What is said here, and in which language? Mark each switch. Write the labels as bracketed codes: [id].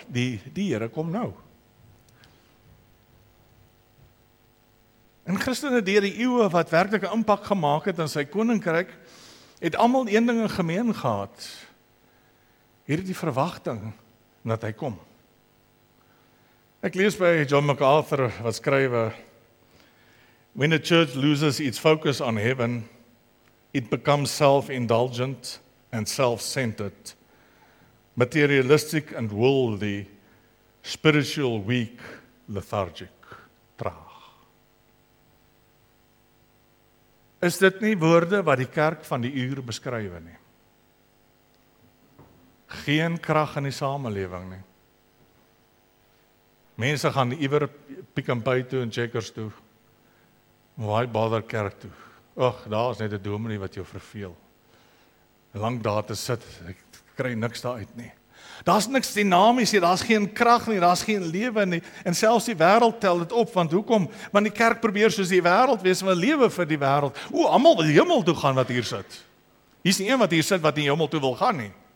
[af] Die Here kom nou. En Christene deur die eeue wat werklik 'n impak gemaak het in sy koninkryk, het allemaal een ding in gemeen gehad, hier die verwachting, dat hy kom. Ek lees by John MacArthur, wat skrywe, [en] when a church loses its focus on heaven, it becomes self-indulgent and self-centered, materialistic and worldly, spiritual weak, lethargic, traag. [af] Is dit nie woorde wat die kerk van die uur beskrywe nie? Geen krag in die samelewing nie. Mense gaan iwer Pick n Pay toe en Checkers toe. [en] Why bother [af] kerk toe? Och, daar is net 'n dominee wat jou verveel. Lang daar te sit, ek kry niks daar uit nie. Daar is niks dynamies nie, daar is geen krag nie, daar is geen lewe nie. En selfs die wêreld tel dit op, want hoekom? Want die kerk probeer soos die wêreld wees, en lewe vir die wêreld. O, almal wil hemel toe gaan wat hier sit. Hier is nie een wat hier sit wat nie hemel toe wil gaan nie.